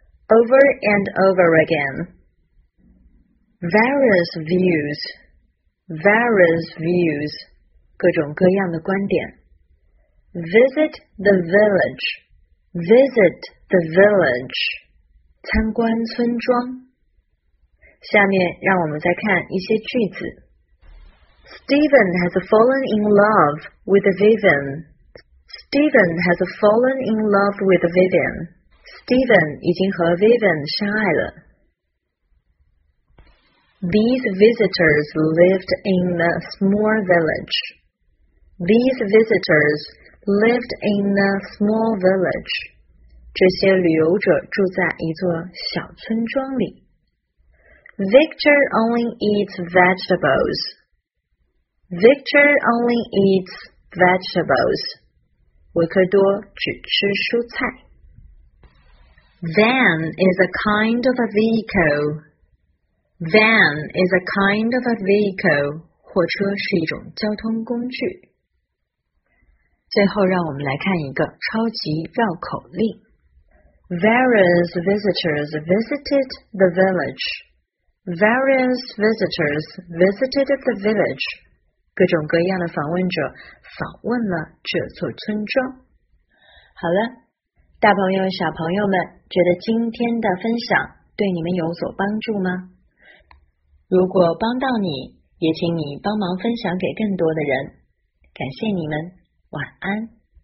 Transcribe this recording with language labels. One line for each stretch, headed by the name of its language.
English: Over and over again. Various views, various views,
Chinese: 各种各样的观点。
English: Visit the village, visit the village,
Chinese: 参观村庄。下面让我们再看一些句子。
English: Stephen has fallen in love with Vivian. Stephen has fallen in love with Vivian.
Chinese: Stephen 已经和 Vivian 相爱了。
English: These visitors lived in a small village. These visitors lived in a small village.
Chinese: 这些旅游者住在一座小村庄里。
English: Victor only eats vegetables. Victor only eats vegetables.
Chinese: 维克多只吃蔬菜。
English: Van is a kind of a vehicle. Van is a kind of a vehicle.
Chinese: 货车是一种交通工具。最后让我们来看一个超级绕口令。
English: Various visitors visited the village. Various visitors visited the village.
Chinese: 各种各样的访问者访问了这座村庄。好了，大朋友小朋友们，觉得今天的分享对你们有所帮助吗？如果帮到你，也请你帮忙分享给更多的人。感谢你们，晚安。